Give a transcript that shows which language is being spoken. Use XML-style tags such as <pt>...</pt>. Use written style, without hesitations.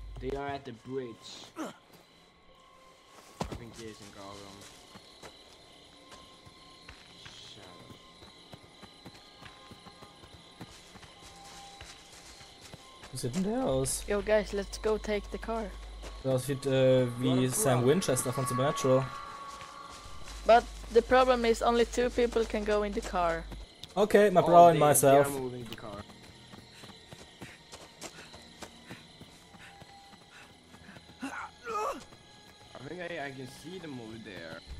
<en>They are at the bridge. I think Jason got them.</en> <de>Wie sieht denn der aus?</de> <en>Yo guys, let's go take the car.</en> <de>Der aussieht wie Sam Winchester von Supernatural.</de> <en>But the problem is only two people can go in the car. Okay, my brother and myself. They are moving the car. I think I can see them over there.</en>